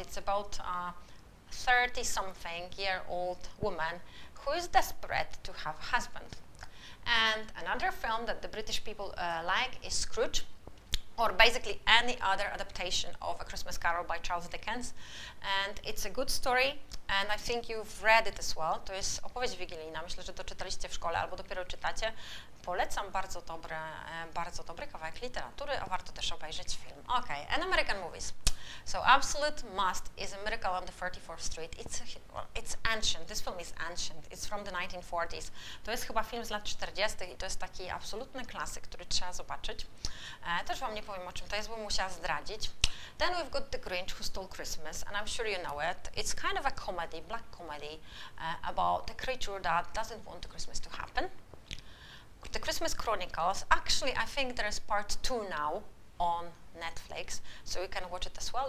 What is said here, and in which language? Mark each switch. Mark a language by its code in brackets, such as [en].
[en] It's about a 30-something-year-old woman who is desperate to have a husband. And another film that the British people like is Scrooge, or basically any other adaptation of A Christmas Carol by Charles Dickens. And it's a good story, and I think you've read it as well. [pl] To jest opowieść wigilijna. Myślę, że to czytaliście w szkole albo dopiero czytacie. Polecam bardzo dobry kawałek literatury, a warto też obejrzeć film. [en] Okay, and American movies. So absolute must is A Miracle on the 34th Street. It's ancient. This film is ancient. It's from the 1940s. [pl] To jest chyba film z lat 40. I to jest taki absolutny klasyk, który trzeba zobaczyć. Też wam nie powiem, o czym to jest, bo musiała zdradzić. [en] Then we've got The Grinch Who Stole Christmas, and I'm sure you know it. It's kind of a comedy, black comedy, about a creature that doesn't want the Christmas to happen. The Christmas Chronicles, actually I think there is part 2 now on Netflix, so you can watch it as well.